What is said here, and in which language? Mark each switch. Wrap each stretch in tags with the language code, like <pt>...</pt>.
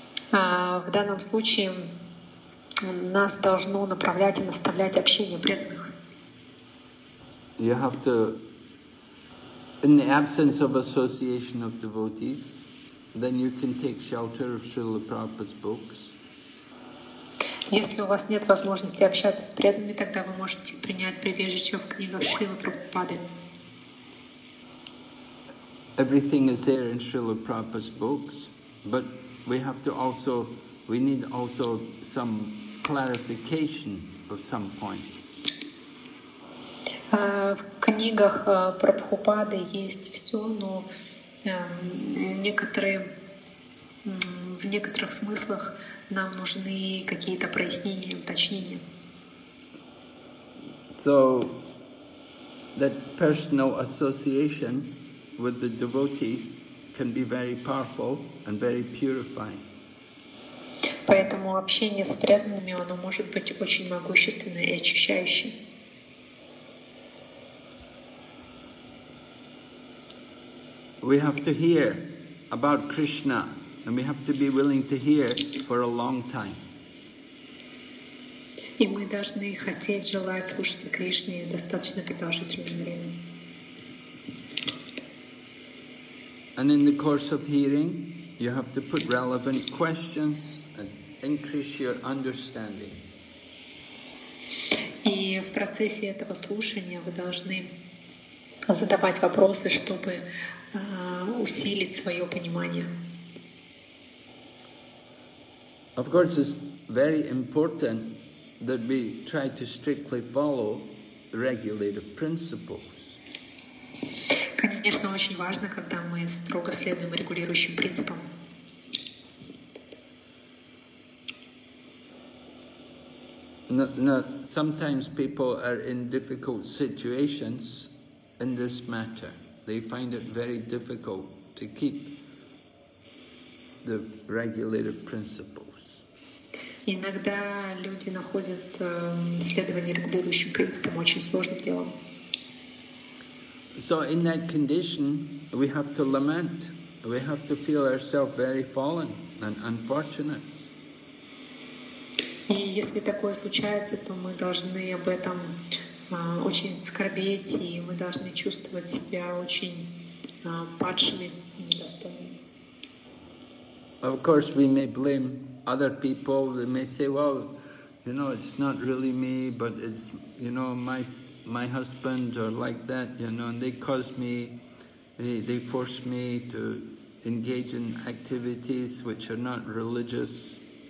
<ru>В данном случае нас должно направлять и наставлять общение преданных.</ru> <en>You have to, in the absence of association of devotees, then you can take shelter of Srila Prabhupada's books.</en> <ru>Если у вас нет возможности общаться с преданными, тогда вы можете принять прибежище в книгах Шрилы Прабхупады.</ru> <en>Everything is there in Srila Prabhupada's books, but we have to also, we need also some clarification of some points.</en> <ru>В книгах Прабхупады есть все, но в некоторых смыслах нам нужны какие-то прояснения, уточнения.</ru> <en>So that personal association with the devotee can be very powerful and very purifying.</en> <ru>Поэтому общение с преданными, оно может быть очень могущественное и очищающее.</ru> <en>We have to hear about Krishna, and we have to be willing to hear for a long time.</en> <ru>И мы должны хотеть, желать слушать о Кришне достаточно продолжительное время.</ru> <en>And in the course of hearing, you have to put relevant questions and increase your understanding.</en> <ru>И в процессе этого слушания вы должны задавать вопросы, чтобы усилить свое понимание.</ru> <en>Of course, it's very important that we try to strictly follow the regulative principles.</en> <ru>Конечно, очень важно, когда мы строго следуем регулирующим принципам.</ru> <en>Now, sometimes people are in difficult situations in this matter. They find it very difficult to keep the regulative principles.</en> <ru>Иногда люди находят следование регулирующим принципам очень сложным делом.</ru> <en>So in that condition, we have to lament. We have to feel ourselves very fallen and unfortunate.</en> <ru>И если такое случается, то мы должны об этом очень скорбеть, и мы должны чувствовать себя очень падшими, недостойными.</ru> <en>Of course, we may blame other people. They may say, well, you know, it's not really me, but it's, you know, my husband or like that, you know, and they caused me, they forced me to engage in activities which are not religious.</en>